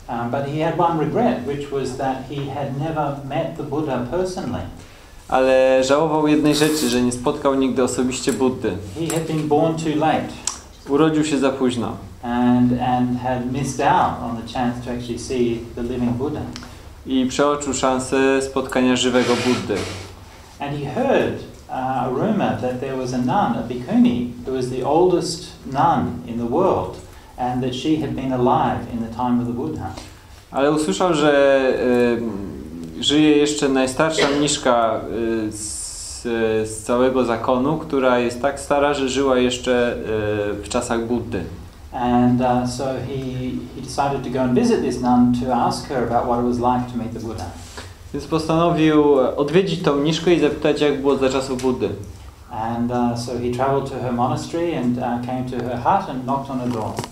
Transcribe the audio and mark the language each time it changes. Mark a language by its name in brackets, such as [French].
[English] But he had one regret, which was that he had never met the Buddha personally. [Polish] Ale żałował jednej rzeczy, że nie spotkał nigdy osobiście Buddy. [English] He had been born too late. [Polish] Urodził się za późno. [English] And had missed out on the chance to actually see the living Buddha. [Polish] I przeoczył szansę spotkania żywego Buddy. [English] And he heard a rumor that there was a nun, a Bhikkhuni, who was the oldest nun in the world, and that she had been alive in the time of the Buddha. [Polish] Ale usłyszał, że żyje jeszcze najstarsza mniszka z całego zakonu, która jest tak stara, że żyła jeszcze w czasach Buddy. [English] And so he decided to go and visit this nun to ask her about what it was like to meet the Buddha. [Polish] Więc postanowił odwiedzić tą mniszkę i zapytać, jak było za czasów Buddy. [English] And so he traveled to her monastery and came to her hut and knocked on the door.